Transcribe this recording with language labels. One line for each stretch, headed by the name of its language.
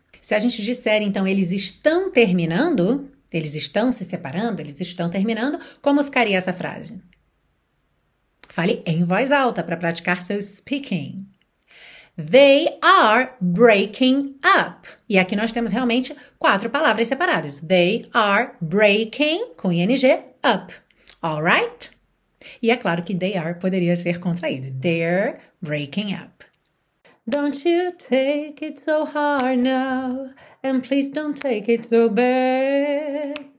Portuguese: Se a gente disser, então, eles estão terminando, eles estão se separando, eles estão terminando, como ficaria essa frase? Fale em voz alta para praticar seu speaking.
English: They are breaking up.
Portuguese: E aqui nós temos realmente quatro palavras separadas.
English: They are breaking, com ing, up. Alright?
Portuguese: E é claro que they are poderia ser contraído.
English: They're breaking up. Don't you take it so hard now, and please don't take it so bad.